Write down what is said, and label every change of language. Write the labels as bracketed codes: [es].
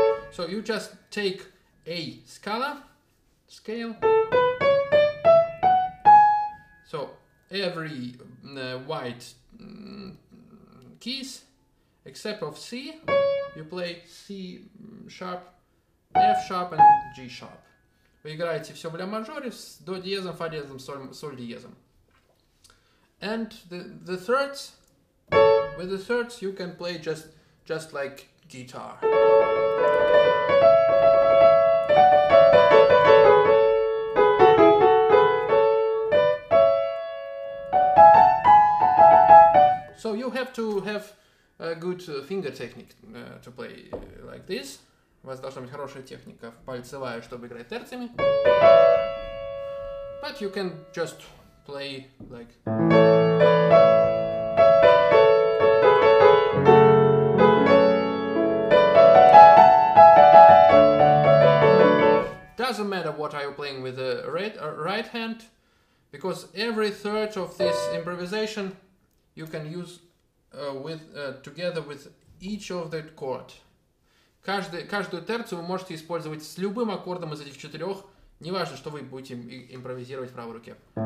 [en] So you just take A scala scale. So every white keys except of C, you play C sharp, F sharp and G sharp. [ru] Вы играете все в ля мажоре с до диезом, фа диезом, соль диезом. [en] And the thirds, with the thirds you can play just like guitar. So you have to have a good finger technique to play like this. [ru] У вас должна быть хорошая техника пальцевая, чтобы играть терциями. [en] But you can just play like... Doesn't matter what are you playing with the right hand, because every third of this improvisation you can use together with each of the chord. [ru] Каждую терцию вы можете использовать с любым аккордом из этих четырех, неважно, что вы будете импровизировать в правой руке.